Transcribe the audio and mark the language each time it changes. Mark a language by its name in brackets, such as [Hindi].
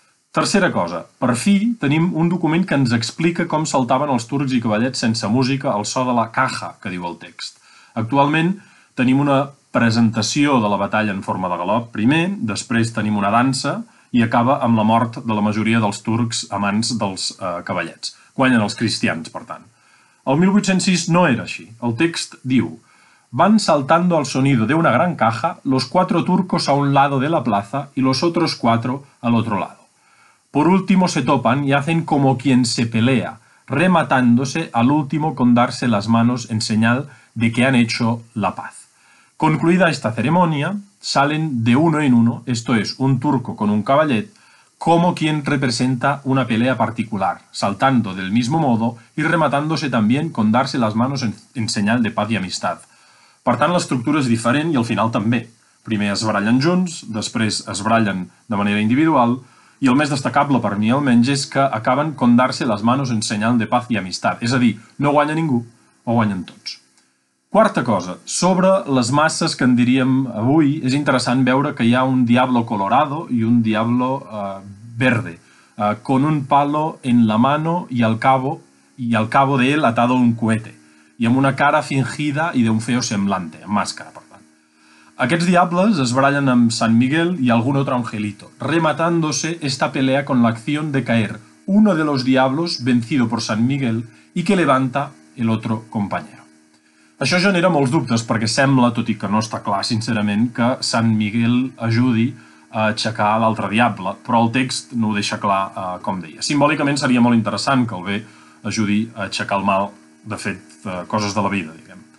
[Catalan] Tercera cosa, per fi tenim un document que ens explica com saltaven els turcs i cavallets sense música al so de la caja, que diu el text. Actualment tenim una presentació de la batalla en forma de galop primer, després tenim una dansa i acaba amb la mort de la majoria dels turcs a mans dels cavallets. Guanyen els cristians, per tant. El 1806 no era així. El text diu: [Spanish] van saltando al sonido de una gran caja los 4 turcos a un lado de la plaza y los otros 4 al otro lado. Por último se topan y hacen como quien se pelea, rematándose al último con darse las manos en señal de que han hecho la paz. Concluida esta ceremonia, salen de uno en uno, esto es, un turco con un caballet, como quien representa una pelea particular, saltando del mismo modo y rematándose también con darse las manos en señal de paz y amistad. [Catalan] Per tant, l'estructura és diferent i al final també. Primer es barallen junts, després es barallen de manera individual i el més destacable per mi almenys és que acaben [Spanish] con darse las manos en señal de paz y amistad. [Catalan] És a dir, no guanya ningú, ho guanyen tots. Quarta cosa, sobre les masses que en diríem avui, és interessant veure que hi ha un [Spanish] diablo colorado [Catalan] i un [Spanish] diablo verde, con un palo en la mano y al cabo de él atado un cohete, [Catalan] i amb una cara fingida i d'un [Spanish] feo semblante, [Catalan] amb màscara, per tant. Aquests diables es barallen amb Sant Miguel i algun altre angelito, [Spanish] rematándose esta pelea con la acción de caer uno de los diablos vencido por Sant Miguel y que levanta el otro compañero. [Catalan] Això genera molts dubtes perquè sembla, tot i que no està clar sincerament, que Sant Miguel ajudi a aixecar l'altre diable, però el text no ho deixa clar, com deia. Simbòlicament seria molt interessant que el bé ajudi a aixecar el mal, de fet, coses de la vida, diguem.